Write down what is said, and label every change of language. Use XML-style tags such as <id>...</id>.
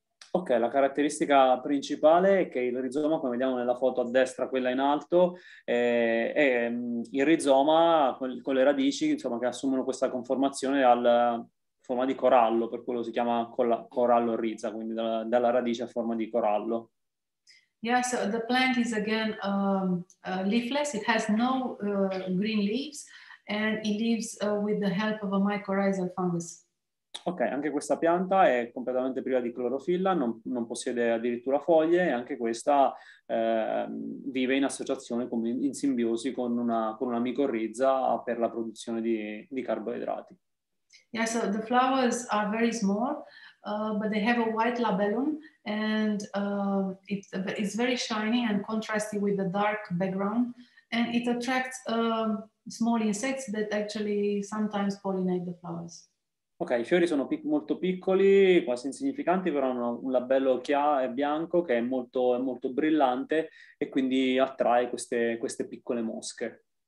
<it>Ok, la caratteristica principale è che il rizoma, come vediamo nella foto a destra, quella in alto, è il rizoma con le radici insomma, che assumono questa conformazione alla forma di corallo, per quello si chiama Corallorhiza, quindi dalla radice a forma di corallo.</it> <en>Yeah, so the plant is again leafless, it has no green leaves, and it lives with the help of a mycorrhizal fungus.</en> <it>Ok, anche questa pianta è completamente priva di clorofilla, non possiede addirittura foglie e anche questa vive in associazione, in simbiosi con una micorrizza per la produzione di carboidrati.</it> <en>Yeah, so the flowers are very small, but they have a white labellum and it's very shiny and contrasty with the dark background and it attracts small insects that actually sometimes pollinate the flowers.</en> <it>Ok, i fiori sono molto piccoli, quasi insignificanti, però hanno un labello chiaro e bianco che è molto brillante e quindi attrae queste, queste piccole mosche.</it>